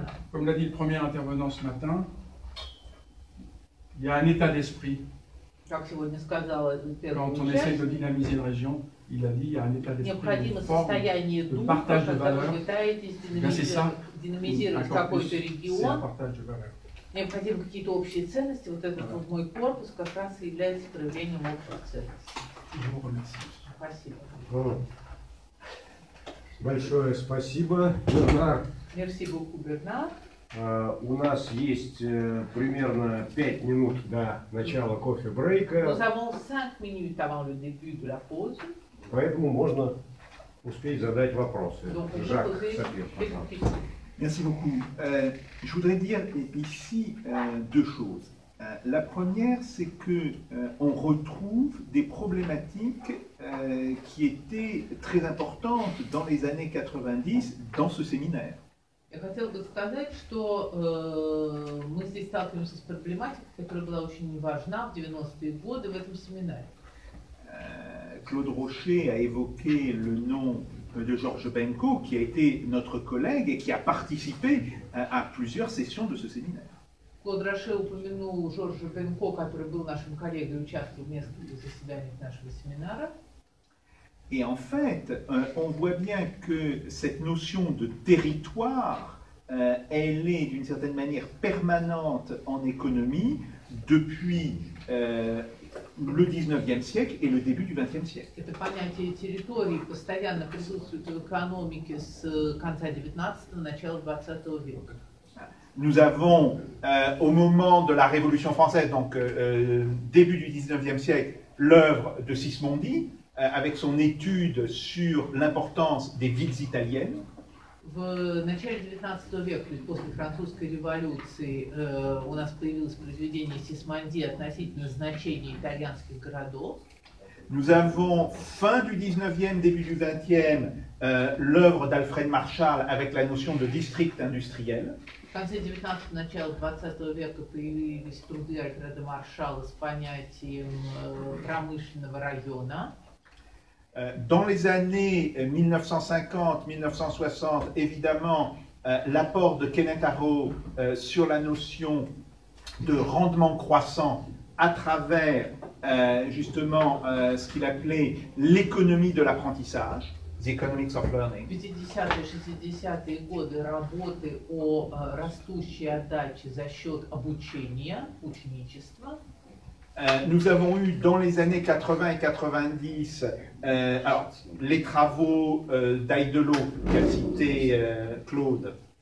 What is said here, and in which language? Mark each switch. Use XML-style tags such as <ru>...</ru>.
<fr>Comme l'a dit le premier intervenant ce matin, il y a un état d'esprit. Quand on essaie de dynamiser une région, il a dit, il y a un état d'esprit, une forme de partage de valeurs. C'est ça, un partage de valeurs.</fr> <ru>Необходимы какие-то общие ценности. Вот этот вот мой корпус как раз и является проявлением общих ценностей. Спасибо. Большое спасибо.</ru> <fr>Merci beaucoup, Bernard.</fr> <ru>У нас есть примерно 5 минут до начала кофе-брейка.</ru> <fr>Nous avons 5 minutes avant le début de la pause.</fr> <ru>Поэтому можно успеть задать вопросы. Жак, Сапир, пожалуйста.</ru> <fr>Merci beaucoup. Je voudrais dire ici deux choses. La première, c'est qu'on retrouve des problématiques qui étaient très importantes dans les années 90 dans ce séminaire.</fr> <ru>Я хотел бы сказать, что мы здесь сталкиваемся с проблематикой, которая была очень важна в 90-е годы в этом семинаре.</ru> <fr>Claude Rocher a évoqué le nom de Georges Benko, qui a été notre collègue et qui a participé à plusieurs sessions de ce séminaire. Claude Rocher a</fr> <ru>упомянул</ru> <fr>Georges Benko, qui était notre collègue et a participé à plusieurs sessions de notre séminaire. Et en fait, on voit bien que cette notion de territoire, elle est d'une certaine manière permanente en économie depuis le 19e siècle et le début du 20e siècle.</fr> <ru>Это понятие территории постоянно присутствует в экономике с конца 19-го, начала 20-го века.</ru> <fr>Nous avons, au moment de la Révolution française, donc début du 19e siècle, l'œuvre de Sismondi, avec son étude sur l'importance des villes italiennes.</fr> <ru>В начале 19 века, после французской революции, у нас появилось произведение Сисмонди относительно значения итальянских городов.</ru> <fr>Nous avons fin du 19e, début du 20e, l'œuvre d'Alfred Marshall avec la notion de district industriel.</fr> <ru>В конце 19-го, начало 20 века появились труды Альфреда Маршалла с понятием промышленного района.</ru> <fr>Dans les années 1950-1960, évidemment, l'apport de Kenneth Arrow sur la notion de rendement croissant à travers, justement, ce qu'il appelait l'économie de l'apprentissage,</fr> <en>the economics of learning.</en> <ru>50-60-е годы работы о растущей отдаче за счет обучения, ученичества.</ru> <fr>Nous avons eu dans les années 80 et 90 alors, les travaux d'Aidelo, qu'a cité Claude.</fr>